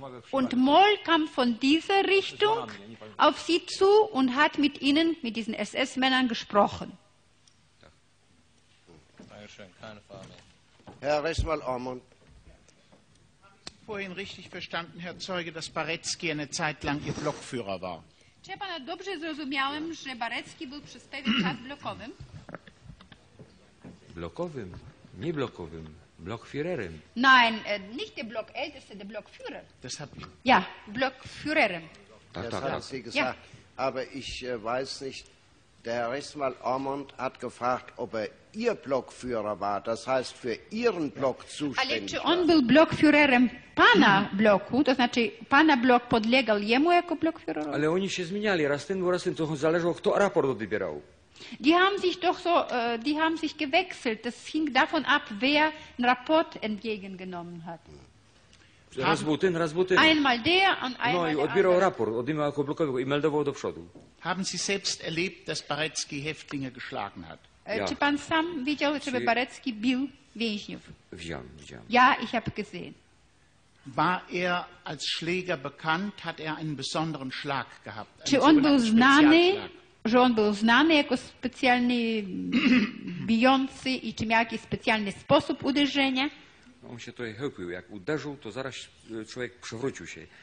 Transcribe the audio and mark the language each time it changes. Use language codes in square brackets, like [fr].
[de] Und Moll kam von dieser Richtung auf sie zu und hat mit ihnen, mit diesen SS-Männern, gesprochen. Dankeschön, keine Frage mehr. Herr Reswal-Ormond. Habe ich Sie vorhin richtig verstanden, Herr Zeuge, dass Barecki eine Zeit lang Ihr Blockführer war? [pl] Czy ja pana dobrze zrozumiałem, że Barecki był przez pewien czas blokowym? Blokowym? Nie blokowym. Blockführerem. [de] Nein, nicht der Blockälteste, der Blockführer. Das hat [pl] ja, Blockführerem. [de] Das hat sie gesagt. Ja. Aber ich weiß nicht, der Herr Reswal-Ormond hat gefragt, ob er Ihr Blockführer war, das heißt für Ihren Block zuständig. [pl] Ale czy on był blokführerem pana bloku, to znaczy pana blok podlegał jemu jako blokführer? Ale oni się zmieniali, raz ten był, raz ten, to zależało, kto raport odbierał. [de] Die haben sich doch so, die haben sich gewechselt, das hing davon ab, wer einen Rapport entgegengenommen hat. [pl] Raz był ten. [de] Einmal der und einmal [pl] no, i odbierał raport, odbierał jako blokowego i meldował do przodu. [de] Haben Sie selbst erlebt, dass Barecki Häftlinge geschlagen hat? Ja. [pl] Czy pan sam widział, żeby Barecki bił więźniów? Widziałem. [de] Ja, ich habe gesehen. War er als Schläger bekannt? Hat er einen besonderen Schlag gehabt? [pl] Czy on był znany, że on był znany jako specjalny bijący i czy miał jakiś specjalny sposób uderzenia? On się tutaj chełpił. Jak uderzył, to zaraz człowiek przewrócił się.